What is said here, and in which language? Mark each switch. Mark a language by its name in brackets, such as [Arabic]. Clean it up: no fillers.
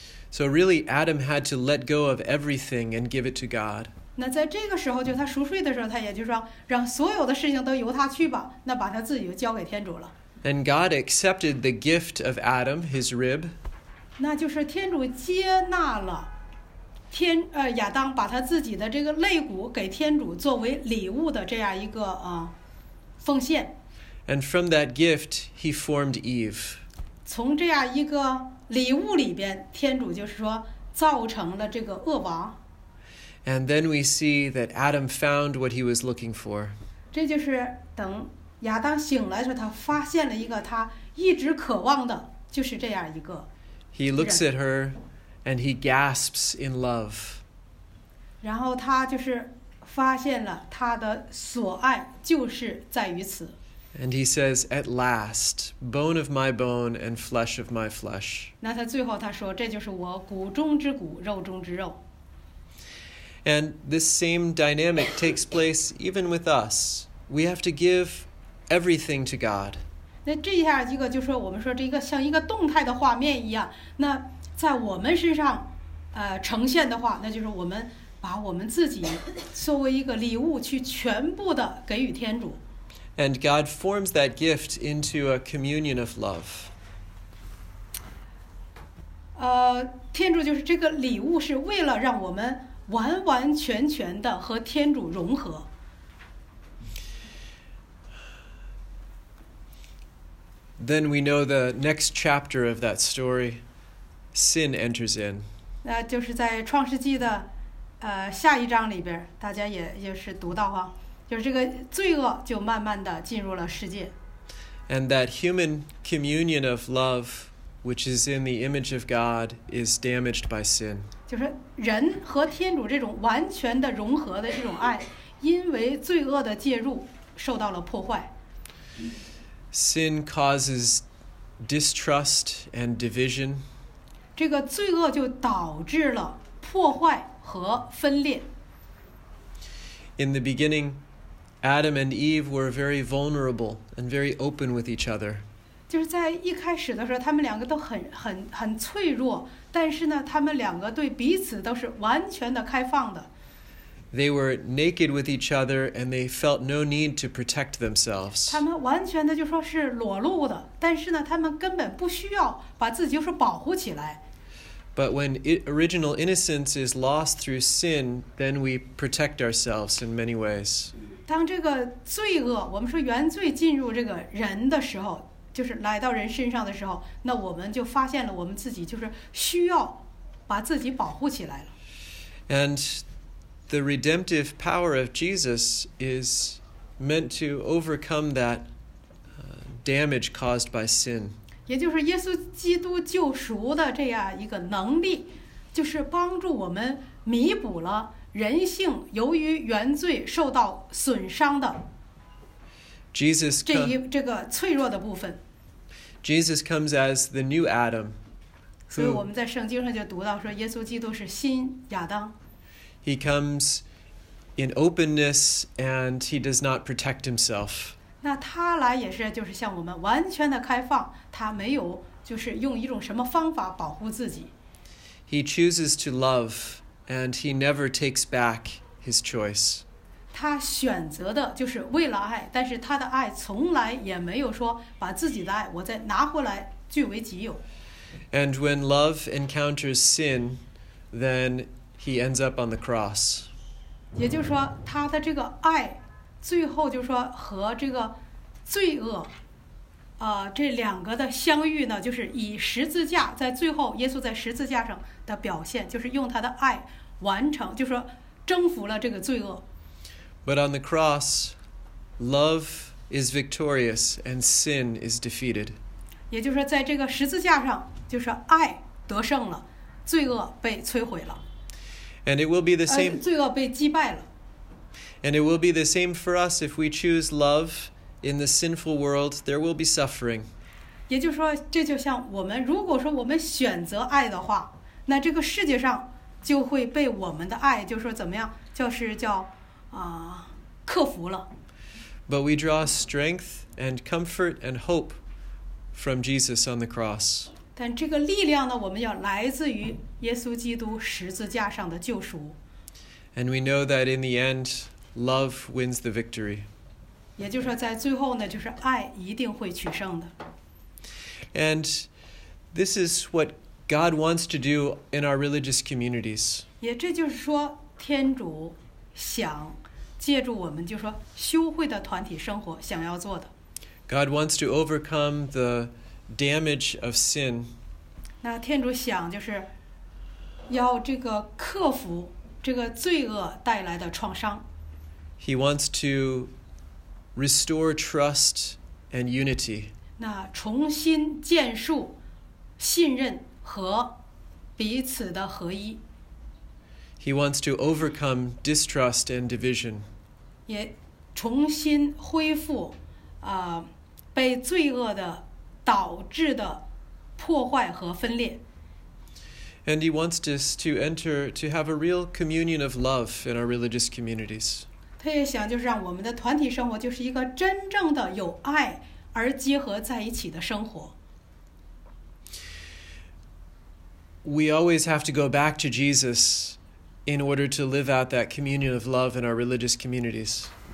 [English] So really, Adam had to let go of everything and give it to God. [Chinese] 那在这个时候，就他熟睡的时候，他也就说，让所有的事情都由他去吧，那把他自己就交给天主了。 [English] And God accepted the gift of Adam, his rib. [Chinese] 那就是天主接纳了天亚当把他自己的这个肋骨给天主作为礼物的这样一个奉献。 [English] And from that gift, he formed Eve. [Chinese] 从这样一个礼物里边，天主就是说造成了这个恶娃。 [English] And then we see that Adam found what he was looking for. [Chinese] 这就是等亚当醒来的时候，他发现了一个他一直渴望的，就是这样一个。 [English] He looks at her, and he gasps in love. [Chinese] 然后他就是发现了他的所爱就是在于此。 [English] And he says, "At last, bone of my bone and flesh of my flesh." [Chinese] 那他最后他说，这就是我骨中之骨，肉中之肉。 [English] And this same dynamic takes place even with us. We have to give everything to God. [Chinese] 那这下一个就是说，我们说这个像一个动态的画面一样。那在我们身上，呈现的话，那就是我们把我们自己作为一个礼物去全部的给予天主。 [English] And God forms that gift into a communion of love. [Chinese] 天主就是这个礼物是为了让我们完完全全的和天主融合。 [English] Then we know the next chapter of that story. Sin enters in. [Chinese] 那就是在创世纪的下一章里边，大家也就是读到哈，就是这个罪恶就慢慢的进入了世界。 [English] And that human communion of love, which is in the image of God, is damaged by sin. [Chinese] 就是人和天主这种完全的融合的这种爱，因为罪恶的介入受到了破坏。 [English] Sin causes distrust and division. [Chinese] 这个罪恶就导致了破坏和分裂。 [English] In the beginning, Adam and Eve were very vulnerable and very open with each other. [Chinese] 就是在一开始的时候，他们两个都很脆弱，但是呢，他们两个对彼此都是完全的开放的。 [English] They were naked with each other, and they felt no need to protect themselves. [Chinese] 他们完全的就说是裸露的，但是呢，他们根本不需要把自己就是保护起来。 [English] But when original innocence is lost through sin, then we protect ourselves in many ways. [Chinese] 当这个罪恶，我们说原罪进入这个人的时候，就是来到人身上的时候，那我们就发现了我们自己就是需要把自己保护起来了。 [English] And the redemptive power of Jesus is meant to overcome that damage caused by sin. [Chinese] 也就是耶稣基督救赎的这样一个能力，就是帮助我们弥补了人性由于原罪受到损伤的这个脆弱的部分。 [English] Jesus comes as the new Adam. [Chinese] 所以我们在圣经上就读到说，耶稣基督是新亚当。 [English] He comes in openness, and he does not protect himself. [Chinese] 那他来也是就是向我们完全的开放，他没有就是用一种什么方法保护自己。 [English] He chooses to love, and he never takes back his choice. [Chinese] 他选择的就是为了爱，但是他的爱从来也没有说把自己的爱我再拿回来据为己有。 [English] And when love encounters sin, then He ends up on the cross. [Chinese] 也就是说，他的这个爱，最后就是说和这个罪恶，这两个的相遇呢，就是以十字架，在最后耶稣在十字架上的表现，就是用他的爱完成，就是说征服了这个罪恶。 [English] But on the cross, love is victorious and sin is defeated. [Chinese] 也就是说，在这个十字架上，就是爱得胜了，罪恶被摧毁了。 [English] And it will be the same. [Chinese] 罪恶被击败了。 [English] And it will be the same for us if we choose love in the sinful world. There will be suffering. [Chinese] 也就是说，这就像我们如果说我们选择爱的话，那这个世界上就会被我们的爱，就是说怎么样，就是叫克服了。 [English] But we draw strength and comfort and hope from Jesus on the cross. [Chinese] 但这个力量呢，我们要来自于耶稣基督十字架上的救赎。 [English] And we know that in the end, love wins the victory. [Chinese] 也就是说在最后呢，就是爱一定会取胜的。 [English] And this is what God wants to do in our religious communities. [Chinese] 也这就是说天主想借助我们，就是说修会的团体生活想要做的。 [English] God wants to overcome the damage of sin. [Chinese] 那天主想就是要这个克服这个罪恶带来的创伤。 [English] He wants to restore trust and unity. [Chinese] 那重新建树信任和彼此的合一。 [English] He wants to overcome distrust and division. [Chinese] 也重新恢复被罪恶的导致的破坏和分裂。 [English] And he wants us to enter to have a real communion of love in our religious communities. [Chinese] 他也想就是让我们的团体生活就是一个真正的有爱而结合在一起的生活。 [English] We always have to go back to Jesus in order to live out that communion of love in our religious communities.